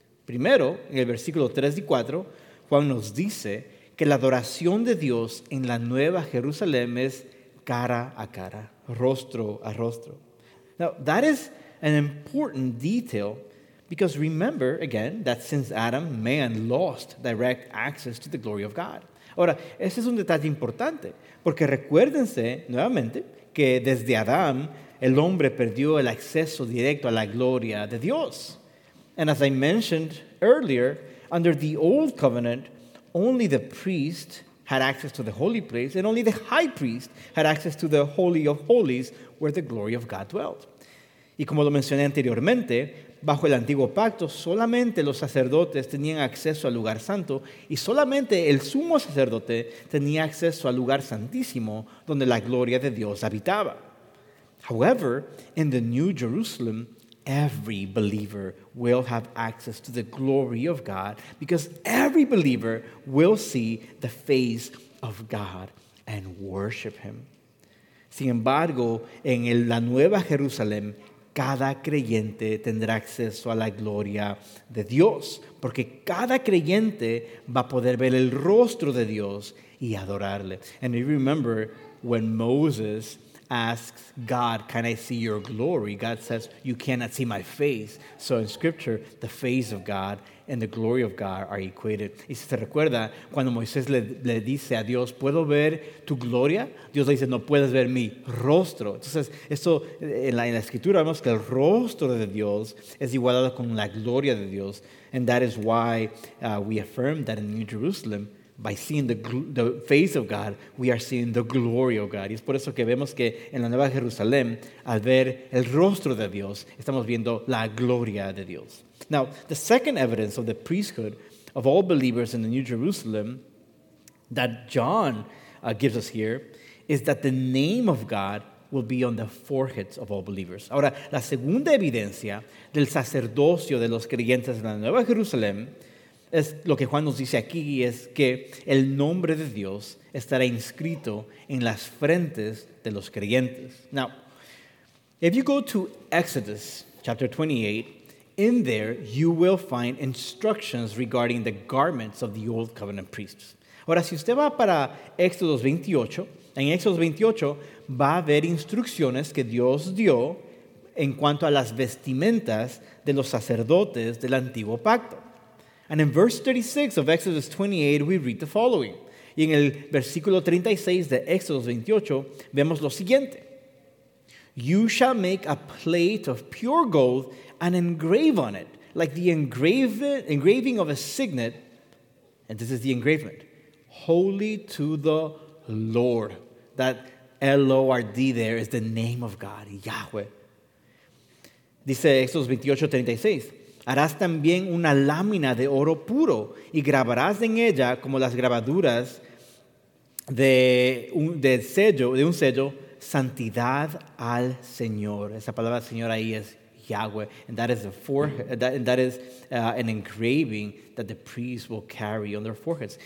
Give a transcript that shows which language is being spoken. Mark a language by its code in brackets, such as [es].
[es] Primero, en el versículo 3 y 4, Juan nos dice que la adoración de Dios en la Nueva Jerusalén es cara a cara, rostro a rostro. [en] Now, that is an important detail, because remember, again, that since Adam, man lost direct access to the glory of God. [es] Ahora, ese es un detalle importante, porque recuérdense nuevamente que desde Adam, el hombre perdió el acceso directo a la gloria de Dios. [en] And as I mentioned earlier, under the old covenant, only the priest had access to the holy place, and only the high priest had access to the holy of holies, where the glory of God dwelt. [es] Y como lo mencioné anteriormente, bajo el antiguo pacto, solamente los sacerdotes tenían acceso al lugar santo y solamente el sumo sacerdote tenía acceso al lugar santísimo donde la gloria de Dios habitaba. [en] However, in the New Jerusalem, every believer will have access to the glory of God because every believer will see the face of God and worship Him. [es] Sin embargo, en la Nueva Jerusalén, cada creyente tendrá acceso a la gloria de Dios, porque cada creyente va a poder ver el rostro de Dios y adorarle. [en] And if you remember when Moses asks God, "Can I see your glory?" God says, "You cannot see my face." So in scripture, the face of God and the glory of God are equated. [es] Y si se recuerda, cuando Moisés le dice a Dios, "¿Puedo ver tu gloria?" Dios le dice, "No puedes ver mi rostro." Entonces, esto en la escritura vemos que el rostro de Dios es igualado con la gloria de Dios. [en] And that is why we affirm that in New Jerusalem, by seeing the face of God, we are seeing the glory of God. [es] Y es por eso que vemos que en la Nueva Jerusalén, al ver el rostro de Dios, estamos viendo la gloria de Dios. [en] Now, the second evidence of the priesthood of all believers in the New Jerusalem that John gives us here is that the name of God will be on the foreheads of all believers. [es] Ahora, la segunda evidencia del sacerdocio de los creyentes en la Nueva Jerusalén es lo que Juan nos dice aquí, es que el nombre de Dios estará inscrito en las frentes de los creyentes. [en] Now, if you go to Exodus chapter 28, in there you will find instructions regarding the garments of the old covenant priests. [es] Ahora, si usted va para Éxodo 28, en Éxodo 28 va a haber instrucciones que Dios dio en cuanto a las vestimentas de los sacerdotes del antiguo pacto. [en] And in verse 36 of Exodus 28, we read the following. [es] Y en el versículo 36 de Éxodo 28, vemos lo siguiente. [en] You shall make a plate of pure gold and engrave on it, like the engraving of a signet. And this is the engravement. Holy to the Lord. That L-O-R-D there is the name of God, Yahweh. [es] Dice Éxodo 28:36. Harás también una lámina de oro puro y grabarás en ella como las grabaduras de un sello, santidad al Señor. Esa palabra Señor ahí es Yahweh. [en] And that is the forehead, an engraving that the priests will carry on their foreheads.